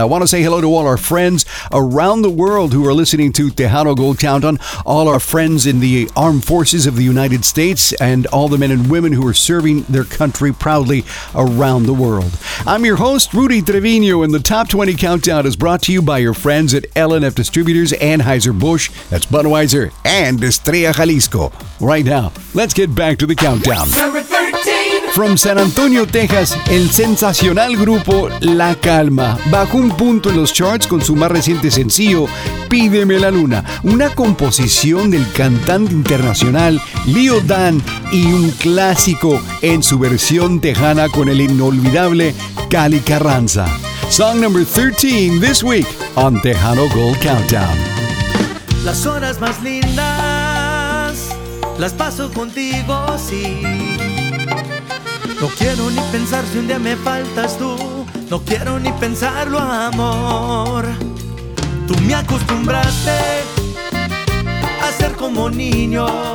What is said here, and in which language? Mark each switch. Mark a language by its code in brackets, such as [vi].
[en] I want to say hello to all our friends around the world who are listening to Tejano Gold Countdown, all our friends in the armed forces of the United States, and all the men and women who are serving their country proudly around the world. I'm your host, Rudy Trevino, and the Top 20 Countdown is brought to you by your friends at L&F Distributors, Anheuser-Busch, that's Budweiser, and Estrella Jalisco. Right now, let's get back to the countdown. Number 13. [es] From San Antonio, Texas, el sensacional grupo La Calma bajó un punto en los charts con su más reciente sencillo, Pídeme la Luna, una composición del cantante internacional Leo Dan y un clásico en su versión tejana con el inolvidable Cali Carranza. [en] Song number 13 this week on Tejano Gold Countdown. [es] Las horas más lindas las paso contigo, sí. No quiero ni pensar si un día me faltas tú. No quiero ni pensarlo, amor. Tú me acostumbraste a ser como niño.